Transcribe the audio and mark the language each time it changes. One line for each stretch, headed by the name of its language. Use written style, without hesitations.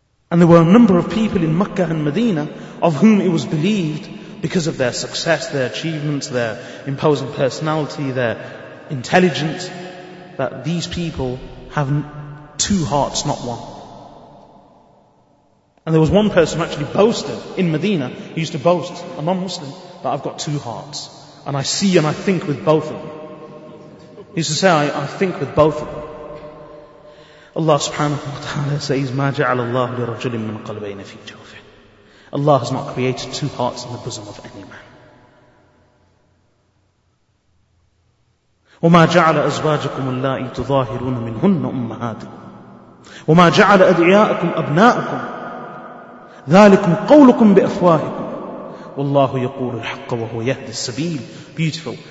English: And there were a number of people in Mecca and Medina of whom it was believed, because of their success, their achievements, their imposing personality, their intelligence, that these people have two hearts, not one. And there was one person who actually boasted in Medina. He used to boast, a non-Muslim, that I've got two hearts. And I see and I think with both of them. He used to say, I think with both of them. Allah subhanahu wa ta'ala says,
Arabic: مَا جَعَلَ اللَّهُ لِرَجُلٍ مِّن قَلْبَيْنَ فِي جَوْفِهِ.
English: Allah has not created two hearts in the bosom of any man.
Arabic: وَمَا جَعَلَ أَزْوَاجَكُمُ اللَّائِي تُظَاهِرُونَ مِنْهُنَّ أُمَّهَاتِكُمْ وَمَا جَعَلَ أَدْعِيَاءَكُمْ أَبْنَاءَكُمْ ذَلِكُمْ قَوْلُكُمْ بِأَفْوَاهِكُمْ وَاللَّهُ يَقُولُ الْحَقَّ وَهُوَ يَهْدِي السَّبِيلِ. Beautiful.